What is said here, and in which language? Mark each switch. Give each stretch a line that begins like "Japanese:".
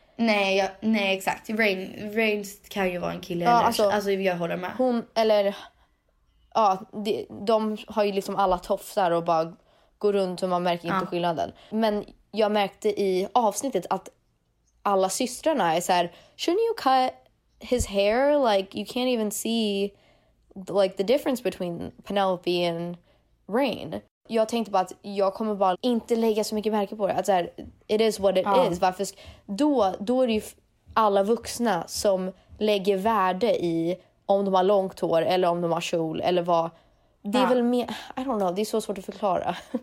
Swedish: Nej, exakt. Rain kan ju vara en kille. Ja, alltså, jag håller med. Hon, eller... Ja, de har ju liksom alla tofsar och bara går runt och man märker inte skillnaden. Men jag märkte i avsnittet att alla systrarna är så här,
English: shouldn't you cut his hair? Like, you can't even see like the difference between Penelope and Rain.
Swedish: Jag tänkte bara att jag kommer bara inte lägga så mycket märke på det. Att så här,
English: it is what it is.
Swedish: Varför då är det ju alla vuxna som lägger värde i om de har långt hår eller om de har kjol eller vad. Det är väl mer,
English: I don't know,
Swedish: det är så svårt att förklara.